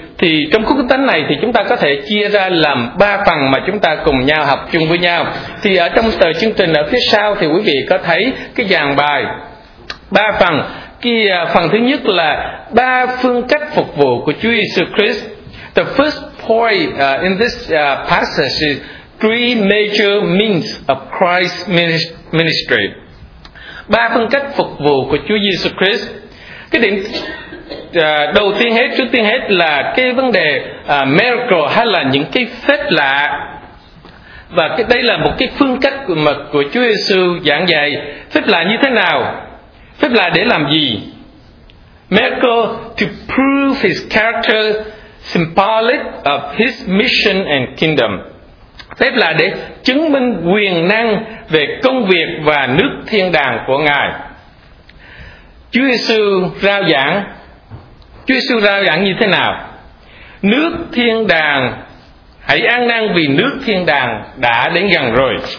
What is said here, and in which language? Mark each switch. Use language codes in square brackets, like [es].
[vi] Thì trong khúc kinh thánh này thì chúng ta có thể chia ra làm 3 phần mà chúng ta cùng nhau học chung với nhau. Thì ở trong tờ chương trình ở phía sau thì quý vị có thấy cái dàn bài 3 phần. Kia phần thứ nhất là 3 phương cách phục vụ của Chúa Jesus Christ. [en] The first point in this passage is 3 major means of Christ's ministry. [vi] 3 phương cách phục vụ của Chúa Jesus Christ. Cái điểm đầu tiên hết, trước tiên hết là cái vấn đề miracle hay là những cái phép lạ. Và cái đây là một cái phương cách của Chúa Giêsu giảng dạy. Phép lạ như thế nào? Phép lạ để làm gì? [en] Miracle to prove his character, symbolic of his mission and kingdom. [vi] Phép lạ để chứng minh quyền năng về công việc và nước thiên đàng của Ngài. Chúa Giêsu rao giảng. Chúa Giêsu rao giảng như thế nào? Nước thiên đàng, hãy ăn năn vì nước thiên đàng đã đến gần rồi.